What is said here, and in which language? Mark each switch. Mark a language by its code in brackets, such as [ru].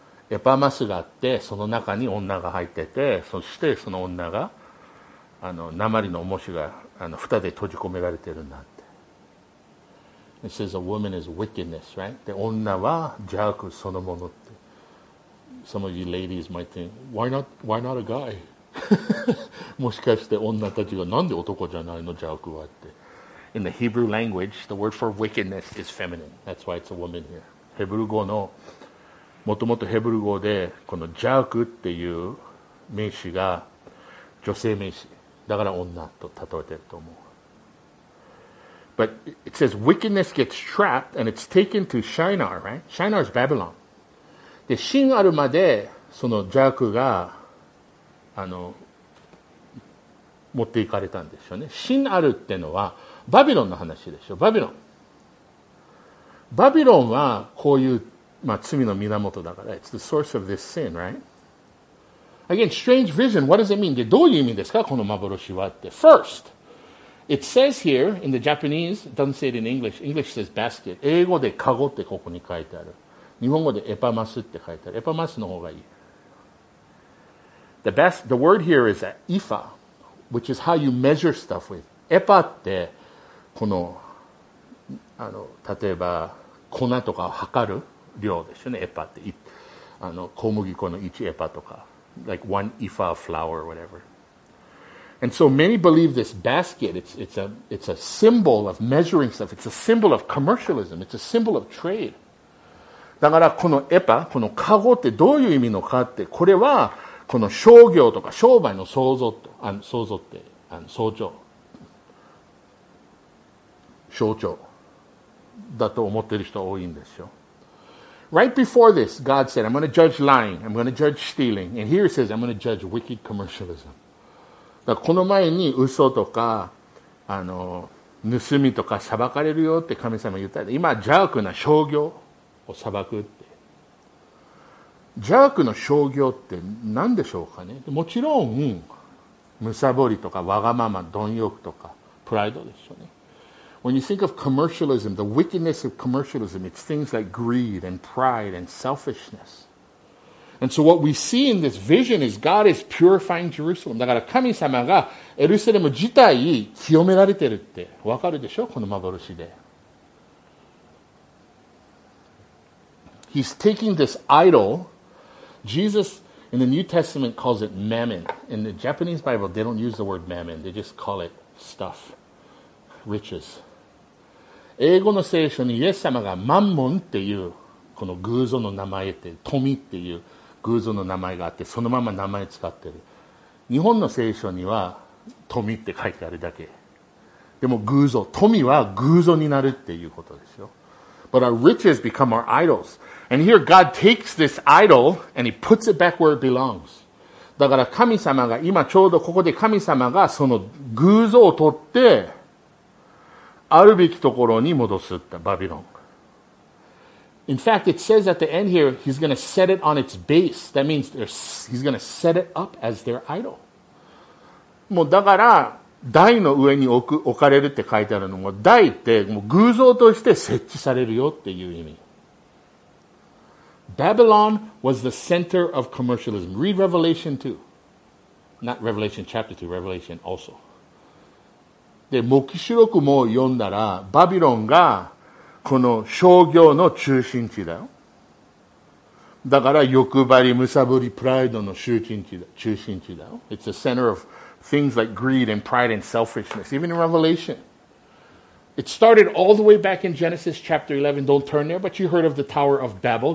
[ja] エパマスがあって、その中に女が入ってて、そしてその女が鉛の重しが蓋で閉じ込められてるなんて。 [en] It says a woman is wickedness, right? [ja] で、女は邪悪そのものって。 [en] Some of you ladies might think, why not a guy? [ja] もしかして女たちがなんで男じゃないの、邪悪はって。 [en] In the Hebrew language, the word for wickedness is feminine. That's why it's a woman here. [ja] ヘブル語の、もともとヘブル語で、この邪悪っていう名詞が女性名詞。だから女と例えてると思う。 [en] But it says wickedness gets trapped and it's taken to Shinar, right? Shinar is Babylon. [ja] で、神あるまでその邪悪が持っていかれたんでしょうね。神あるってのはバビロンの話でしょ。バビロン。バビロンはこういう、まあ、罪の源だから。 [en] It's the source of this sin, right? Again, strange vision. What does it mean? [ja] で、どういう意味ですかこの幻はって。 [en] First, it says here in the Japanese, doesn't say it in English. English says basket. [ja] 英語でカゴってここに書いてある。日本語でエパマスって書いてある。エパマスの方がいい。 [en] The word here is ifa, which is how you measure stuff with. [ja] エパって、この、例えば、粉とかを測る量ですよね。エパって。小麦粉の1エパとか。 [en] Like one ifa of flour or whatever. And so many believe this basket, it's a symbol of measuring stuff. It's a symbol of commercialism. It's a symbol of trade. [ja] だからこのエパ、このカゴってどういう意味のかって、これはこの商業とか商売の創造と、創造って、創造。象徴。だと思ってる人多いんですよ。 [en] Right before this, God said, I'm going to judge lying, I'm going to judge stealing, and here it says, I'm going to judge wicked commercialism. [ja] だからこの前に嘘とか、盗みとか裁かれるよって神様言ったら、今邪悪な商業。を裁くって邪悪の商業って何でしょうかね。もちろん、むさぼりとかわがまま、貪欲とかプライドですよね。 [en] When you think of commercialism, the wickedness of commercialism, it's things like greed and pride and selfishness. And so what we see in this vision is God is purifying Jerusalem. [ja] だから神様がエルサレム自体清められてるってわかるでしょ、この幻で。 [en] He's taking this idol. Jesus in the New Testament calls it mammon. In the Japanese Bible, they don't use the word mammon. They just call it stuff, riches. [ja] 英語の聖書にイエス様がマンモンっていうこの偶像の名前って、富っていう偶像の名前があって、そのまま名前使ってる。日本の聖書には富って書いてあるだけ。でも偶像、富は偶像になるっていうことですよ。 [en] But our riches become our idols. And here God takes this idol and he puts it back where it belongs. [ja] だから神様が今ちょうどここで神様がその偶像を取ってあるべきところに戻すってバビロン。 [en] In fact, it says at the end here, he's going to set it on its base. That means he's going to set it up as their idol. [ja] もうだから台の上に置かれるって書いてあるのも台ってもう偶像として設置されるよっていう意味。 [en] Babylon was the center of commercialism. Read Revelation 2. Not Revelation chapter 2, Revelation also. [ja] で、黙示録も読んだら、バビロンがこの商業の中心地だよ。だから欲張り、むさぶり、プライドの中心地だよ。 [en] It's the center of things like greed and pride and selfishness, even in Revelation. It started all the way back in Genesis chapter 11. Don't turn there, but you heard of the Tower of Babel.